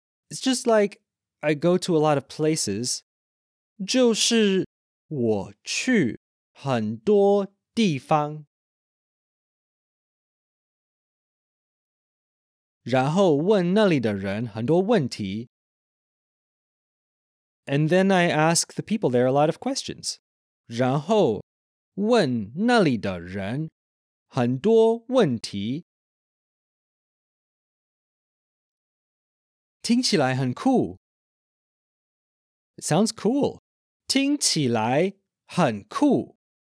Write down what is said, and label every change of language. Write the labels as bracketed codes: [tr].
[en] It's just like... I go to a lot of places. [zh] 就是我去很多地方。然后问那里的人很多问题。 [en] And then I ask the people there a lot of questions. [zh] 然后问那里的人很多问题。听起来很酷。 [en] It sounds cool. [zh] 听起来很酷。